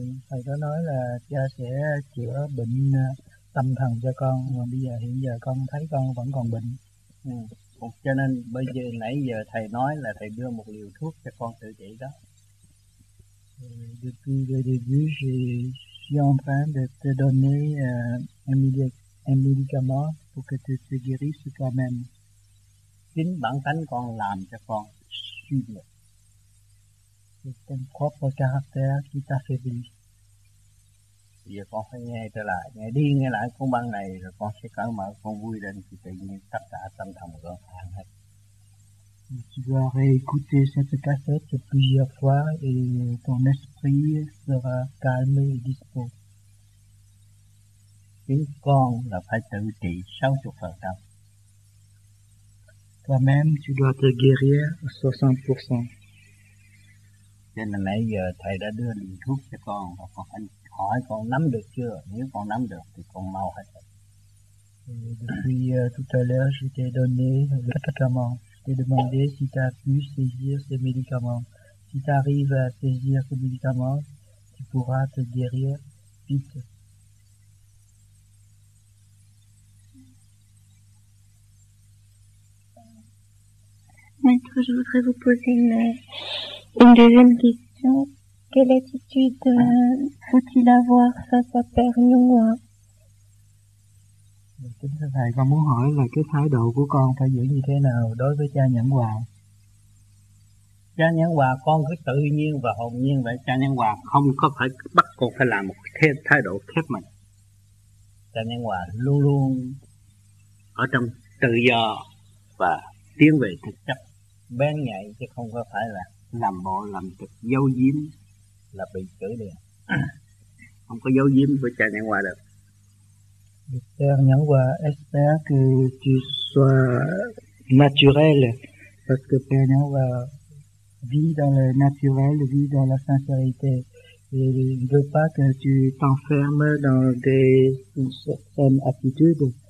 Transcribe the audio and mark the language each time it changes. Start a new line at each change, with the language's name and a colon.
Vietnamese: Thầy có nói là cha sẽ chữa bệnh tâm thần cho con, mà bây giờ hiện giờ con thấy con vẫn còn bệnh. Cho nên bây giờ nãy giờ thầy nói là thầy đưa một liều thuốc cho con tự trị đó.
French: Depuis le début, je suis en train de te donner un médicament pour que tu te guérisses toi-même.
Vietnamese: Chính bản tánh con làm cho con suy nhược.
French: C'est ton propre caractère qui t'affaiblit.
Vietnamese: Giờ con phải nghe trở lại, nghe đi nghe lại cuốn băng này rồi con sẽ cởi mở, con vui lên thì tự nhiên tất cả tâm thần của con an hết.
French: Tu vas réécouter cette cassette plusieurs fois et ton esprit sera calme et dispo.
Vietnamese: Chính con là phải tự trị 60%.
French: Toi-même, tu dois te guérir 60%.
Vietnamese: Cho nên nãy giờ thầy đã đưa liều thuốc cho con và con phải hỏi con nắm được chưa? Nếu con nắm được thì con mau hết.
French: Depuis tout à l'heure, je t'ai donné le médicament. Je t'ai demandé si tu as pu saisir ce médicament. Si tu arrives à saisir ce médicament, tu pourras te guérir vite. Maître, je voudrais vous poser une deuxième question. Quelle attitude faut-il avoir face à Père Noua?
Vietnamese: Kính thưa thầy, con muốn hỏi là cái thái độ của con phải giữ như thế nào đối với cha Nhẫn Hòa? Cha Nhẫn Hòa con cứ tự nhiên và hồn nhiên vậy. Cha Nhẫn Hòa không có phải bắt con phải làm một thái độ khép mình. Cha Nhẫn Hòa luôn luôn ở trong tự do và tiến về thực chất bén nhạy, chứ không có phải là làm bộ làm tịch giấu giếm là bị chửi liền. Không có giấu giếm với cha Nhẫn Hòa được.
French: Le Père Nhẫn Hòa espère que tu sois naturel, parce que Père Nhẫn Hòa vit dans le naturel, vit dans la sincérité. Et il ne veut pas que tu t'enfermes dans une certaine attitude.